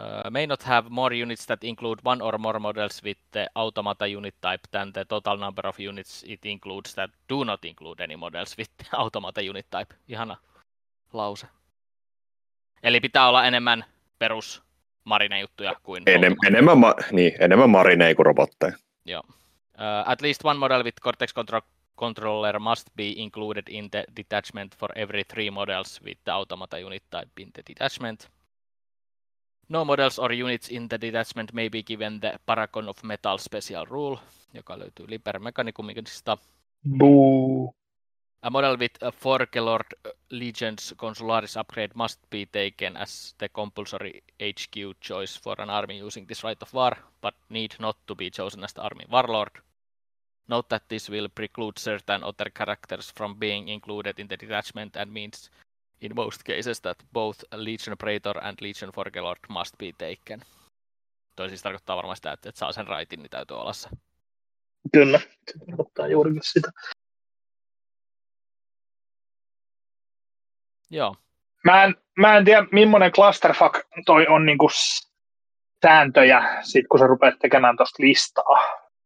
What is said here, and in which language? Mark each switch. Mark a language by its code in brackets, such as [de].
[en] May not have more units that include one or more models with the automata unit type than the total number of units it includes that do not include any models with the automata unit type. [fi] Ihana lause. Eli pitää olla enemmän perus marinejuttuja kuin... Enemmän marineja kuin robotteja. Joo. [en] At least one model with Cortex Controller must be included in the detachment for every three models with the automata unit type in the detachment. No models or units in the detachment may be given the Paragon of Metal special rule, [fi] joka löytyy Liber Mechanicumista. Boo. [en] A model with a Forge Lord Legion's Consularis upgrade must be taken as the compulsory HQ choice for an army using this right of war, but need not to be chosen as the army warlord. Note that this will preclude certain other characters from being included in the detachment and means in most cases that both Legion Praetor and Legion Forge Lord must be taken. [fi] Toi siis tarkoittaa varmaan sitä, että saa sen raitin, niin täytyy olla se. Kyllä, tarkoittaa juurikin sitä. Joo. Mä en tiedä, millainen clusterfuck toi on niinku sääntöjä, sit kun sä rupeat tekemään tosta listaa.